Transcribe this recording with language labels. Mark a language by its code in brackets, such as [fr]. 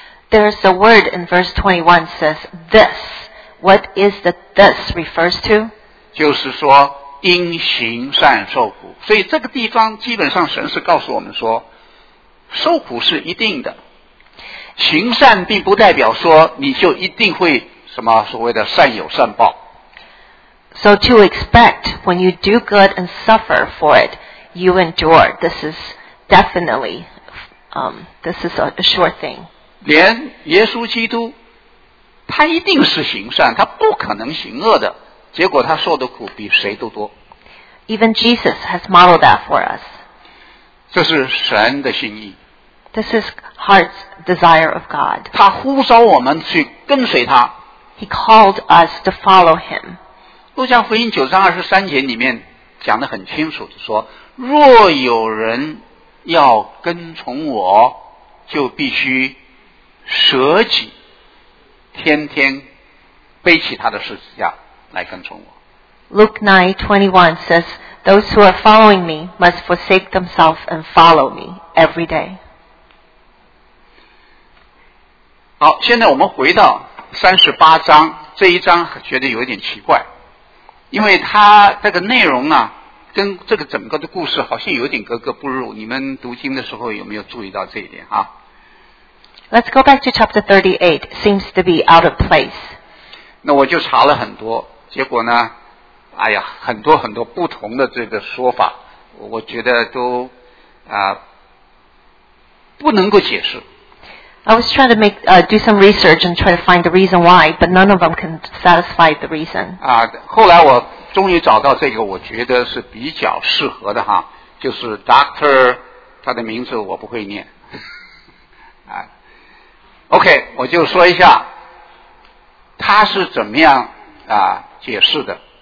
[en] There's a word in verse 21 says this. What is the this refers to? [zh] 就是说因行善受苦。所以这个地方基本上神是告诉我们说，受苦是一定的。行善并不代表说你就一定会什么所谓的善有善报。 [en] So to expect when you do good and suffer for it, you endure. This is definitely, this is a sure thing. [zh] 连耶稣基督，他一定是行善，他不可能行恶的。结果他受的苦比谁都多。 [en] Even Jesus has modeled that for us. [zh] 这是神的心意。 [en] This is heart's desire of God. [zh] 他呼召我们去跟随他。 [en] He called us to follow him. [zh] 路加福音九章二十三节里面讲得很清楚的说，若有人要跟从我，就必须舍己，天天背起他的十字架来跟从我。 [en] Luke 9:21 says, Those who are following me must forsake themselves and follow me every day. [zh] 好，现在我们回到三十八章，这一章觉得有点奇怪。因为他这个内容啊，跟这个整个的故事好像有点格格不入。你们读经的时候有没有注意到这一点啊？ [en] Let's go back to chapter 38. Seems to be out of place. [zh] 那我就查了很多，结果呢，哎呀，很多很多不同的这个说法，我觉得都不能够解释。 [en] I was trying to make, do some research and try to find the reason why, but none of them can satisfy the reason. [zh] 啊，后来我终于找到这个我觉得是比较适合的哈，就是 Dr. 他的名字我不会念。啊，OK， 我就说一下他是怎么样啊解释的。